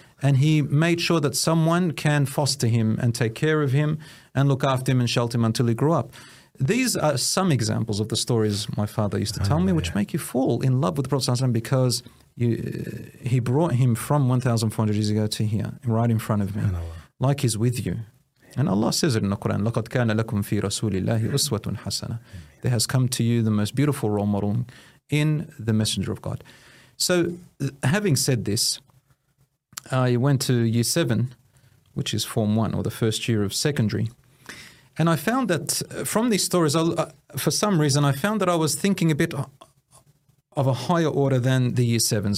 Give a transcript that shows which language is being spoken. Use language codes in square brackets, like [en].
[en] And he made sure that someone can foster him and take care of him and look after him and shelter him until he grew up. These are some examples of the stories my father used to tell me, which make you fall in love with the Prophet ﷺ because he brought him from 1,400 years ago to here, right in front of me, like he's with you. And Allah says it in the Quran, [ar] لَقَدْ كَانَ لَكُمْ فِي رَسُولِ اللَّهِ أُسْوَةٌ حَسَنَةٌ. [en] There has come to you the most beautiful role model in the Messenger of God. So having said this, I went to year 7, which is form 1 or the first year of secondary. And I found that from these stories, for some reason, I found that I was thinking a bit of a higher order than the year 7s.